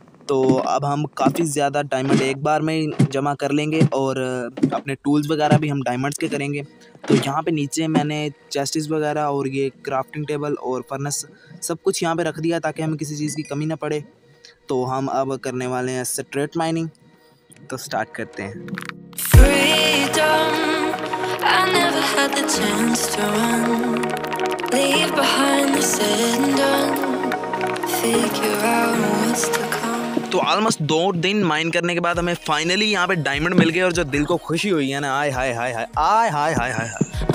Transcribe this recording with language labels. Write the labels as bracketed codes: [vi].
[hi] तो अब हम काफ़ी ज़्यादा डायमंड एक बार में जमा कर लेंगे, और अपने टूल्स वगैरह भी हम डायमंड्स के करेंगे। तो यहाँ पे नीचे मैंने चेस्टिस वगैरह और ये क्राफ्टिंग टेबल और फर्नेस सब कुछ यहाँ पे रख दिया ताकि हमें किसी चीज़ की कमी ना पड़े। तो हम अब करने वाले हैं स्ट्रेट माइनिंग, तो स्टार्ट करते हैं। [en] Freedom, I never had the chance to run. Leave behind the said and done. Figure out what's to come. [hi] तो ऑलमोस्ट 2 दिन माइन करने के बाद हमें फाइनली यहाँ पे डायमंड मिल गए, और जो दिल को खुशी हुई है ना, आय हाय हाय हाय आय हाय हाय हाय हाय।